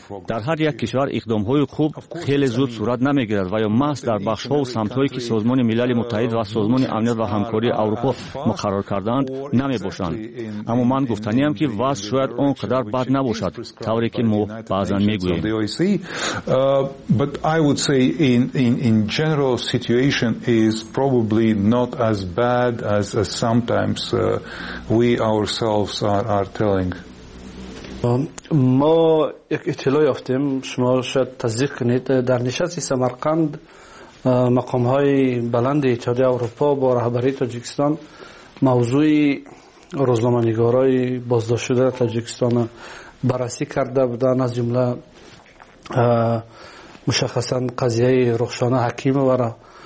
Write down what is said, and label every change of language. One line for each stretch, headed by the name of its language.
Persian: در هر یک کشور اقدام های خوب خیلی زود صورت نمی گیرد و یا محض در بخش ها و سمت هایی که سازمان ملل متحد و سازمان امنیت و همکاری اروپا مقرر کردند نمی باشند. اما من گفتنی هم که وضع شاید اونقدر بد نباشد طوری که ما بعضن می گوییم.
English: But I would say in general situation is probably not as bad as sometimes we ourselves are telling.
Persian: ما یک اطلاع یافتیم، شما شاید تصدیق کنید، در نشست سمرقند مقام های بلند اتحادیه اروپا با رهبری تاجیکستان موضوع روزنامه‌نگارای بازداشت شده تاجیکستان بررسی کرده بودند، از جمله مشخصا قضیه رخشانه حکیموارا.